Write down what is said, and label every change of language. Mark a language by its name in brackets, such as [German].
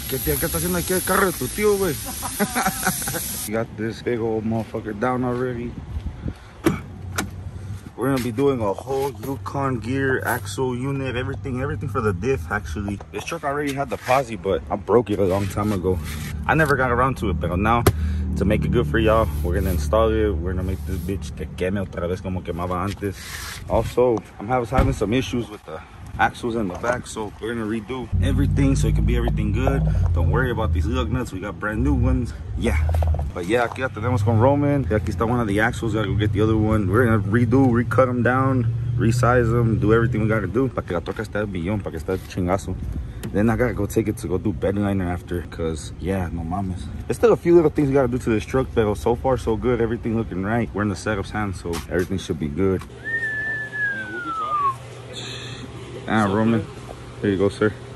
[Spanish] ¿Qué está haciendo aquí el carro de tu tío, güey? [English] We got this big old motherfucker down already. We're gonna be doing a whole Yukon gear, axle, unit, everything for the diff, actually. This truck already had the posi, but I broke it a long time ago. I never got around to it, but now, to make it good for y'all, we're gonna install it. We're gonna make this bitch [Spanish] que queme otra vez como quemaba antes. [English] Also, I was having some issues with the axles in the back, so we're gonna redo everything so it can be everything good. Don't worry about these lug nuts, we got brand new ones. Yeah, but yeah, [Spanish] aquí ya tenemos con Roman. Aquí está [English] one of the axles, gotta go get the other one. We're gonna redo, recut them down, resize them, do everything we gotta do. [Spanish] Para que la troca esté billón, para que esté chingazo. [English] Then I gotta go take it to go do bed liner after, because yeah, [Spanish] no mames. [English] There's still a few little things you gotta do to this truck, but so far so good. Everything looking right. We're in the setup's hands, so everything should be good. Ah, so Roman, good. Here you go, sir.